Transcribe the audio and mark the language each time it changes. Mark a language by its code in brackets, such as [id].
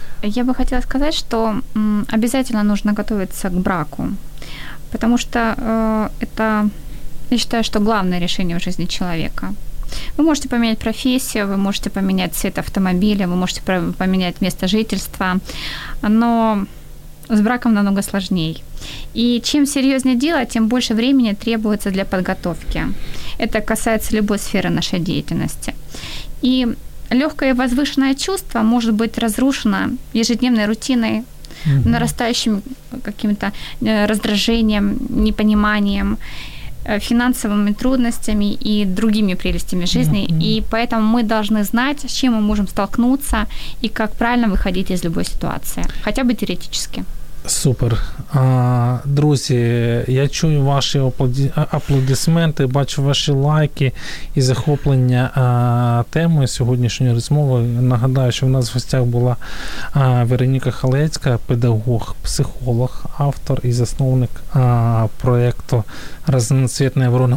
[uk] Я би хотіла сказати, що обов'язково потрібно готуватися до браку. Тому що це, я вважаю, що головне рішення в житті людини. Ви можете поміняти професію, ви можете поміняти цвіт автомобіля, ви можете поміняти місце жительства, але з браком намного складніше. [ru] И чем серьезнее дело, тем больше времени требуется для подготовки. Это касается любой сферы нашей деятельности. И легкое возвышенное чувство может быть разрушено ежедневной рутиной, нарастающим каким-то раздражением, непониманием, финансовыми трудностями и другими прелестями жизни. И поэтому мы должны знать, с чем мы можем столкнуться и как правильно выходить из любой ситуации, хотя бы теоретически. Супер. [uk] Друзі, я чую ваші аплодисменти, бачу ваші лайки і захоплення темою сьогоднішньої розмови. Нагадаю, що в нас в гостях була Вероніка Халецька, педагог, психолог, автор і засновник проєкту «Разноцвітна ворона».